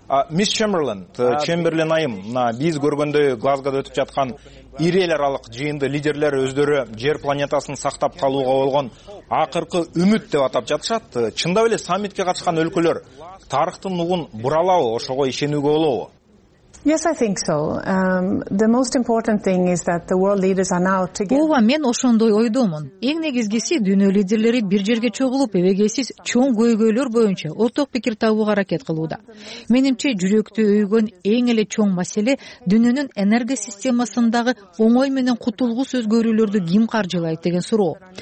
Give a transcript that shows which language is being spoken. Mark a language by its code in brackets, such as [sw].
[ky] Мисс Чемберлен, Чемберлен айым, мына биз көргөндөй Глазгодо өтүп жаткан ири эл аралык жыйынды лидерлер өздөрү жер планетасын сактап калууга болгон акыркы үмүт деп атап жатышат. Чындап эле саммитке катышкан өлкөлөр тарыхтын угун буралабы, ошого ишенүүгө болобу? [en] Yes, I think so. The most important thing is that the world leaders are now together. [ky] Ооба, мен ошондой ойдомун. Эң негизгиси дүйнө лидерлери бир жерге чогулуп, эбегейсиз чоң көйгөйлөр боюнча ортак пикир табууга аракет кылууда. Менимче, жүрөктү өйгөн эң эле чоң маселе дүйнөнүн энергия системасындагы оңой менен кутулгус өзгөрүүлөрдү ким каржылайт деген суроо.